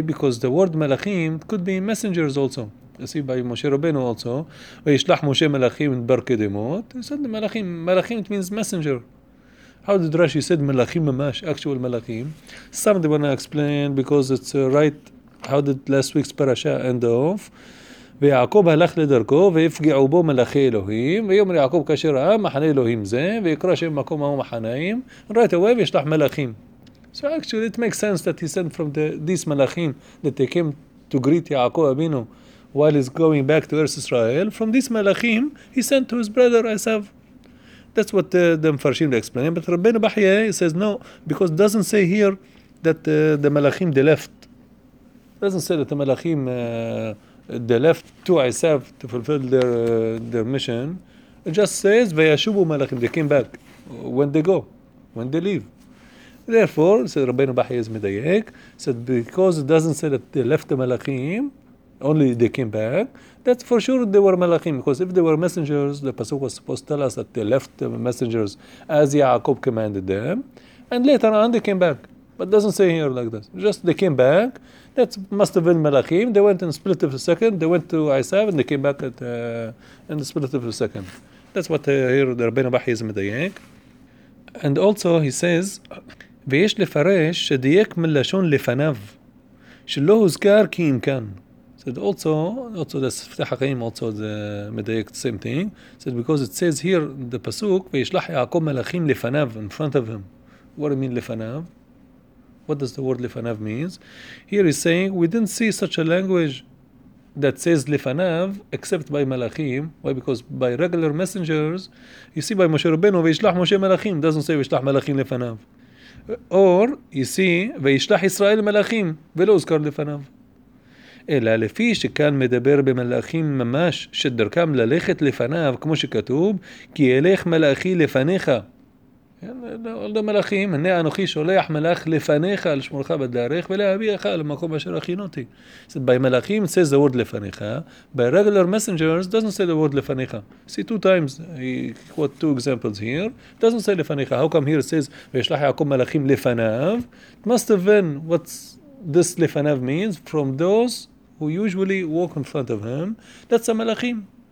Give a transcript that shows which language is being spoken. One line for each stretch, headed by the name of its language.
English: Because the word Malachim could be messengers also. You see, by Moshe Rabbeinu also,
Hebrew: Vayishlach Moshe Malachim Bar Kedemot,
English: he sent Malachim. Malachim means messenger. How did Rashi said Malachim Mamash, actual Malachim? Somebody want to explain because it's right. How did last week's parasha end off?
Hebrew: ויעקב הלך לדרכו ויפגעו בו מלאכי אלוהים ויאמר יעקב כאשר ראה מחנה אלוהים זה ויקרא שם מקום ההוא מחניים.
English: Right away
Hebrew: וישלח מלאכים.
English: So actually it makes sense that he sent from these מלאכים that they came to greet יעקב אבינו while he's going back to Eretz Israel. From these מלאכים he sent to his brother Esav. That's what the Mfarshim explained. But Rabbeinu Bahya says no, because it doesn't say here that the Malachim, they left. It doesn't say that the Malachim, they left to Esav to fulfill their mission. It just says, Vayashubu Malachim, they came back. When they go, when they leave. Therefore, said Rabbeinu Bahya is Medayek, said because it doesn't say that they left the Malachim, only they came back, that's for sure they were Malachim. Because if they were messengers, the Pasuk was supposed to tell us that they left the messengers as Yaakov commanded them. And later on they came back. But it doesn't say here like this. Just they came back. That must have been Malachim. They went in a split of a second. They went to Esav and they came back in a split of a second. That's what here the Rabbeinu Bahya is Medayek. And also he says,
Hebrew: ויש לפרש שדייק מלשון לפניו שלא הוזכר כי אם כאן.
English: Said also the Sfteh HaChaim also the Medayek the same thing. Said because it says here in the Pasuk,
Hebrew: Vayishlach Yaakov Malachim Lefanav,
English: in front of him. What do you mean Lefanav? What does the word Lefanav mean? Here he's saying, we didn't see such a language that says Lefanav except by Malachim. Why? Because by regular messengers, you see by Moshe Rabbeinu,
Hebrew: Vayishlach Moshe Malachim,
English: doesn't say
Hebrew: Vayishlach Malachim Lefanav.
English: Or you see,
Hebrew: Vayishlach Yisrael Malachim, Velo Uzkar Lefanav. אלא לפי שכאן מדבר במלאכים ממש שדרכם ללכת לפניו כמו שכתוב כי ילך מלאכי לפניך. עוד המלאכים, הנה אנוכי שולח מלאך לפניך לשמורך בדרך ולהביאך למקום אשר הכינותי.
English: So by מלאכים says the word לפניך, by regular messengers doesn't say the word לפניך. See two times, he quote two examples here, doesn't say לפניך. How come here it says
Hebrew: וישלח יעקב מלאכים לפניו?
English: It must have been what's this lefanav means from those who usually walk in front of him. That's a malachim.